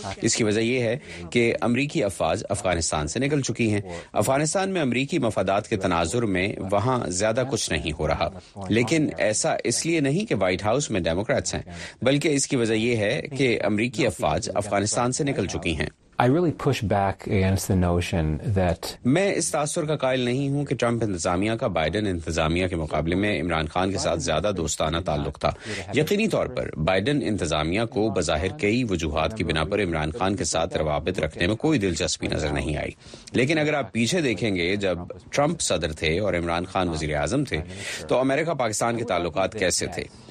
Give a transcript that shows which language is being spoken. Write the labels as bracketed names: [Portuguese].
[Urdu] اس کی وجہ یہ ہے کہ امریکی افواج افغانستان سے نکل چکی ہیں، افغانستان میں امریکی مفادات کے تناظر میں وہاں زیادہ کچھ نہیں ہو رہا، لیکن ایسا اس لیے نہیں کہ وائٹ ہاؤس میں ڈیموکریٹس ہیں بلکہ اس کی وجہ یہ ہے کہ امریکی افواج افغانستان سے نکل چکی ہیں۔ [English] I really push back against the notion that [Urdu] میں اس تاثر کا قائل نہیں ہوں کہ ٹرمپ انتظامیہ کا بائیڈن انتظامیہ کے مقابلے میں عمران خان کے ساتھ زیادہ دوستانہ تعلق تھا۔ یقینی طور پر بائیڈن انتظامیہ کو بظاہر کئی وجوہات کی بنا پر عمران خان کے ساتھ روابط رکھنے میں کوئی دلچسپی نظر نہیں آئی، لیکن اگر آپ پیچھے دیکھیں گے جب ٹرمپ صدر تھے اور عمران خان وزیر اعظم تھے تو امریکہ پاکستان کے تعلقات کیسے تھے؟